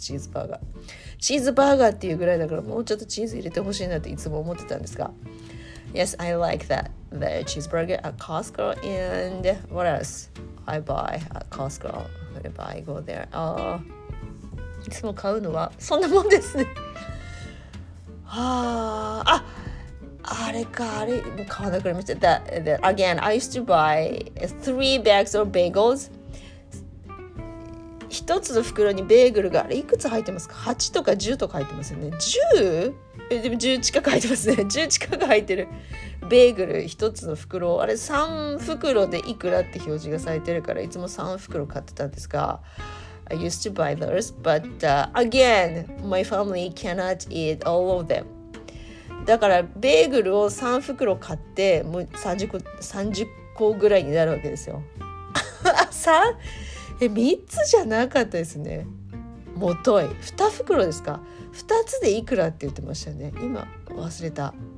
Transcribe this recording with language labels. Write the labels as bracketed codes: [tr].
[ja] チーズバーガー、チーズバーガーっていうぐらいだからもうちょっとチーズ入れてほしいなっていつも思ってたんですが、 [en] Yes, I like that the cheeseburger at Costco and what else I buy at Costco if I go there、 [ja] いつも買うのはそんなもんですね。はあ、あれか、あれも買わなくなりました。 [en] That again, I used to buy three bags of bagels. [ja] 一つの袋にベーグルがあれいくつ入ってますか？8とか10とか入ってますよね。 10？でも10近く入ってますね。10近く入ってる。ベーグル一つの袋、あれ3袋でいくらって表示がされてるからいつも3袋買ってたんですが、 [en] I used to buy those, but again, my family cannot eat all of them. [ja] だからベーグルを3袋買って、もう30個ぐらいになるわけですよ。 3つじゃなかったですね。もとい。 2袋ですか？2つでいくらって言ってましたね。今忘れた。